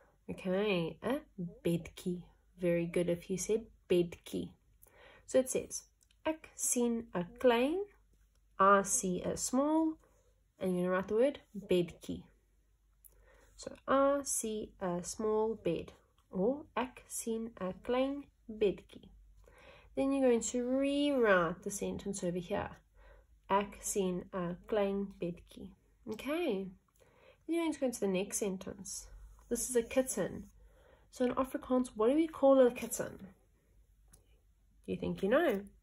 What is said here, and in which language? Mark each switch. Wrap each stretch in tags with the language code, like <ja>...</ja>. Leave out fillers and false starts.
<en>Okay, a bedkie. Very good if you said bedkie. So it says,</en> <af>ek sien 'n klein,</af> <en>I see a small. And you're going to write the word bedkie. So, I see a small bed.</en> <af>Or, ek sien 'n klein bedkie.</af> <en>Then you're going to rewrite the sentence over here.</en> <af>Ek sien 'n klein bedkie.</af> <en>Okay. Then you're going to go into the next sentence. This is a kitten. So, in Afrikaans, what do we call a kitten? You think you know?</en>